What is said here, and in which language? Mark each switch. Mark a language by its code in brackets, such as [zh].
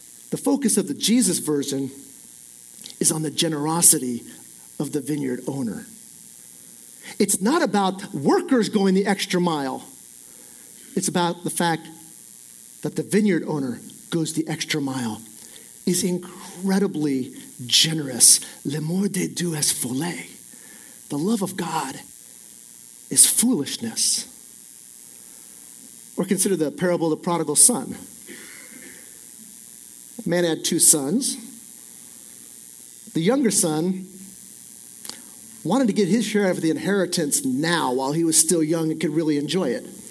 [en] The focus of the Jesus version is on the generosity of the vineyard owner. It's not about workers going the extra mile. It's about the fact that the vineyard owner goes the extra mile, is incredibly generous. [fr] L'amour de Dieu est folie. [en] The love of God is foolishness. Or consider the parable of the prodigal son. A man had two sons. The younger son wanted to get his share of the inheritance now while he was still young and could really enjoy it.